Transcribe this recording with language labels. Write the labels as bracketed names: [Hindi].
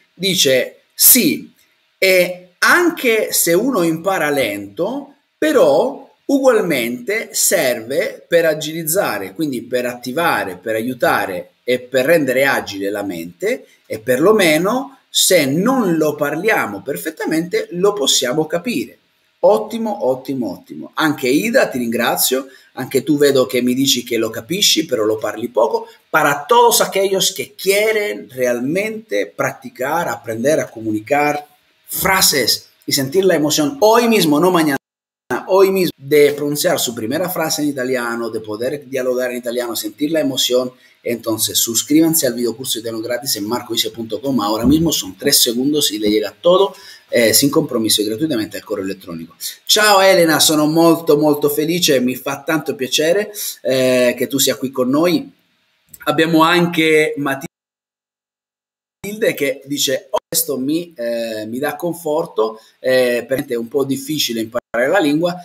[Italian] Dice, sì, e anche se uno impara lento, però ugualmente serve per agilizzare, quindi per attivare, per aiutare e per rendere agile la mente, e perlomeno se non lo parliamo perfettamente lo possiamo capire. Ottimo, ottimo, ottimo. Anche Ida, ti ringrazio, anche tu vedo che mi dici che lo capisci, però lo parli poco. [Spanish] Para todos aquellos que quieren realmente practicar, aprender a comunicar frases y sentir la emoción hoy mismo, no mañana, hoy mismo, de pronunciar su primera frase en italiano, de poder dialogar en italiano, sentir la emoción, entonces suscríbanse al videocurso italiano gratis en marcoice.com. Ahora mismo son 3 segundos y le llega todo sin compromiso y gratuitamente al correo electrónico. [Italian] Ciao Elena, sono molto molto felice, mi fa tanto piacere che tu sia qui con noi. Abbiamo anche Matilde che dice, questo mi dà conforto, perché è un po' difficile imparare la lingua.